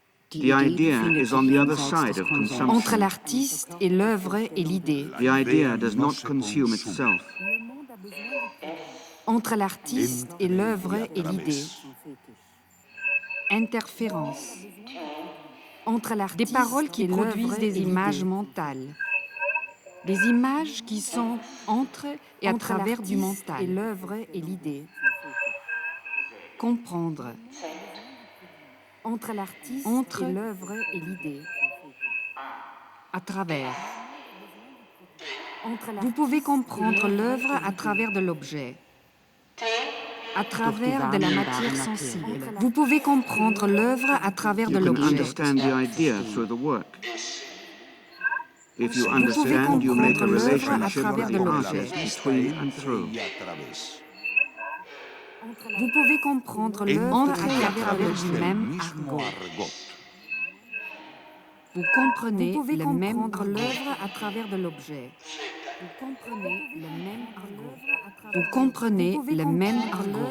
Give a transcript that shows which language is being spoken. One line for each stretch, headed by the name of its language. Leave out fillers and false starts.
English: The idea is on the other side of consumption.
French: Entre l'artiste et l'œuvre et l'idée.
English: The idea does not consume itself.
French: Entre l'artiste et l'œuvre et l'idée. Interférence. Entre l'artiste des paroles qui produisent des images mentales. Des images qui sont entre et à travers du mental. Entre l'œuvre et l'idée. Comprendre. Entre l'artiste entre et l'œuvre et l'idée. À travers. Entre vous pouvez comprendre l'œuvre à travers de l'objet. À travers de la matière sensible. Vous pouvez comprendre l'œuvre à travers de l'objet.
English: You can understand the idea through the work. If you understand, you make a relationship with the artist between and through.
French: Vous pouvez comprendre l'œuvre à travers le même argot. Vous comprenez le même comprendre l'œuvre à travers de l'objet. Vous comprenez le même argot. Vous comprenez le même argot